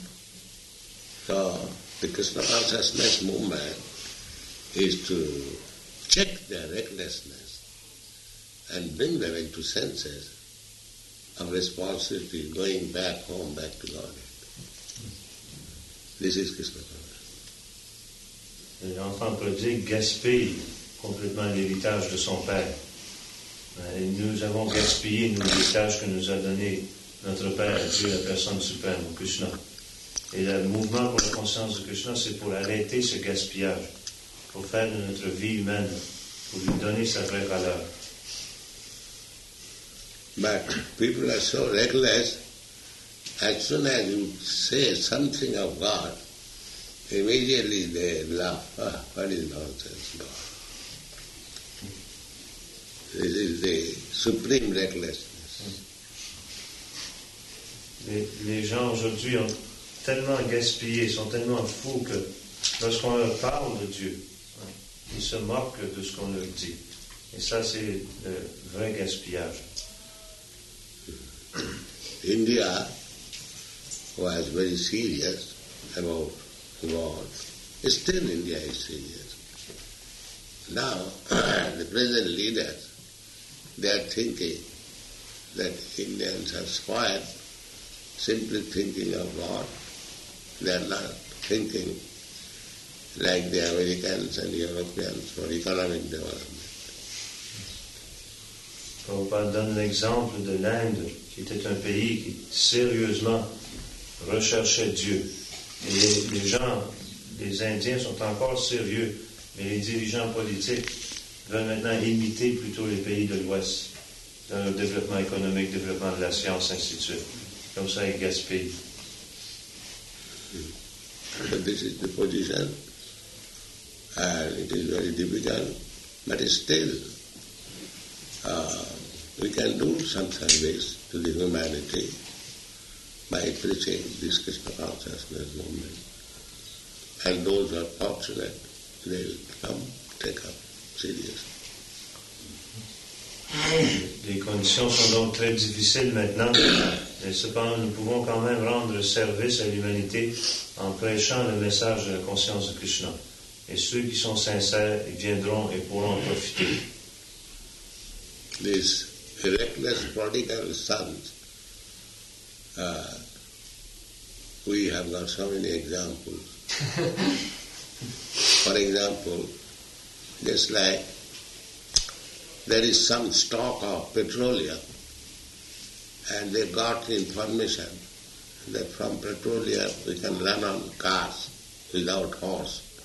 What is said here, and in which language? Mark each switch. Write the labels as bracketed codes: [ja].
[en] So the Krishna consciousness movement is to check their recklessness and bring them into senses of responsibility, going back home, back to Godhead. This is Krishna consciousness. [fr] L'enfant prodigue gaspille complètement l'héritage de son père. Et nous avons gaspillé l'héritage que nous a donné notre père, Dieu, la personne suprême, Krishna. Et le mouvement pour la conscience de Krishna, c'est pour arrêter ce gaspillage, pour faire de notre vie humaine, pour lui donner sa vraie valeur. [en] But people are so reckless, as soon as you say something of God, immediately they laugh. Ah, what is nonsense, God? This is the supreme recklessness. [fr] Les gens aujourd'hui ont tellement gaspillé, sont tellement fous que lorsqu'on leur parle de Dieu, ils se moquent de ce qu'on leur dit. Et ça, c'est le vrai gaspillage. [en] India was very serious about Lord is still in the ICDs. Now, the present leaders, they are thinking that Indians are spoiled, simply thinking of Lord. They are not thinking like the Americans and Europeans for economic development. [fr] Prabhupada donne l'exemple de l'Inde, qui était un pays qui sérieusement recherchait Dieu. Et les gens, les Indiens sont encore sérieux, mais les dirigeants politiques veulent maintenant imiter plutôt les pays de l'Ouest dans le développement économique, le développement de la science, ainsi de suite. Comme ça, ils gaspillent. [en] But this is the position, and it is very difficult, but still, we can do some service to the humanity by preaching this Krishna consciousness movement. And those who are fortunate, they will come take up seriously. [fr] Les conditions sont donc très difficiles maintenant, mais cependant nous pouvons quand même rendre service à l'humanité en prêchant le message de la conscience de Krishna. Et ceux qui sont sincères viendront et pourront en profiter. [en] This reckless prodigal sons, we have got so many examples. For example, just like there is some stock of petroleum, and they got information that from petroleum we can run on cars without horse.